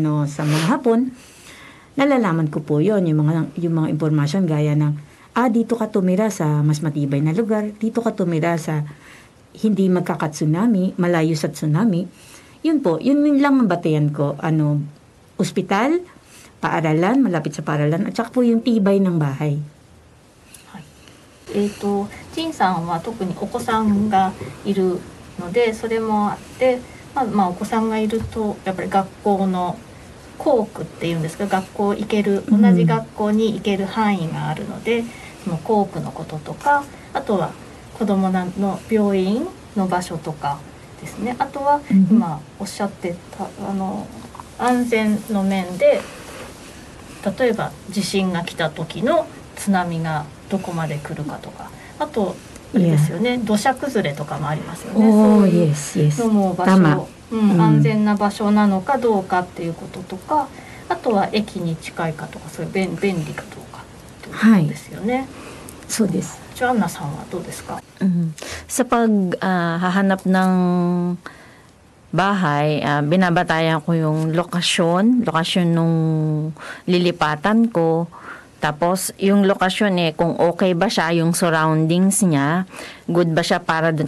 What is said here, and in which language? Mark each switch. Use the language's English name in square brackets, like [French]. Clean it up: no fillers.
[Filipino] sa mga Hapon, nalalaman ko po yon yung mga information gaya ng dito ka tumira sa mas matibay na lugar, dito ka tumira sa hindi magkakatsunami, malayo sa tsunami. Yun po, yun lang ang batayan ko, ospital, paaralan, malapit sa paaralan, at saka po yung tibay ng bahay. [Japanese] Jin さんは特にお子さんがいるので、それもあって、まあ、お子さんがいるとやっぱり学校の校区っていうんですか、学校行ける、同じ学校に行ける範囲があるので、その校区のこととか、あとは子どもの病院の場所とかですね、あとは今おっしゃってた安全の面で、例えば地震が来た時の津波がどこまで来るかとか、あとですよね、土砂崩れとかもありますよね。そういう安全な場所なのかどうかっていうこととか、あとは駅に近いかとか、そういう 便利かどうかということですよね。はい、そうです。ジョアンナさんはどうですか？ [Filipino] Sa paghahanap ng bahay, binabatayan ko yung lokasyon nung lilipatan ko. Tapos, yung lokasyon kung okay ba siya, yung surroundings niya, good ba siya para dun?